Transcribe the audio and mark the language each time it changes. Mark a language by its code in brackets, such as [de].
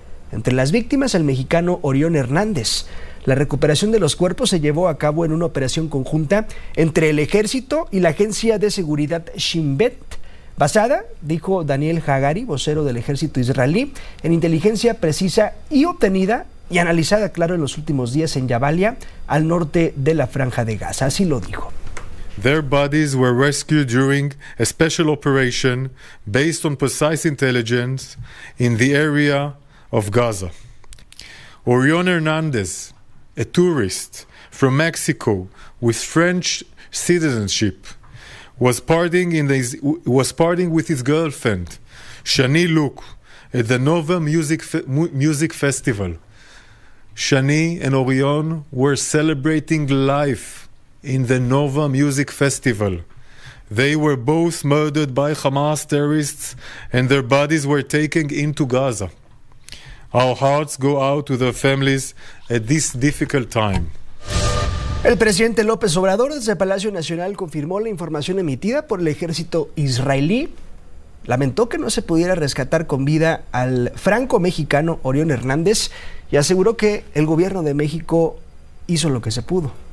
[es] Entre las víctimas, el mexicano Orión Hernández. La recuperación de los cuerpos se llevó a cabo en una operación conjunta entre el ejército y la agencia de seguridad Shin Bet, basada, dijo Daniel Hagari, vocero del ejército israelí, en inteligencia precisa y obtenida y analizada, claro, en los últimos días en Jabalia, al norte de la Franja de Gaza. Así lo dijo. [en] Their bodies were rescued during a special operation based on precise intelligence in the area of Gaza. Orion Hernandez, a tourist from Mexico with French citizenship, was partying with his girlfriend, Shani Luke, at the Nova Music Festival. Shani and Orion were celebrating life in the Nova Music Festival. They were both murdered by Hamas terrorists and their bodies were taken into Gaza. Our hearts go out to their families at this difficult time. [es] El presidente López Obrador desde Palacio Nacional confirmó la información emitida por el ejército israelí. Lamentó que no se pudiera rescatar con vida al franco-mexicano Orión Hernández y aseguró que el gobierno de México hizo lo que se pudo.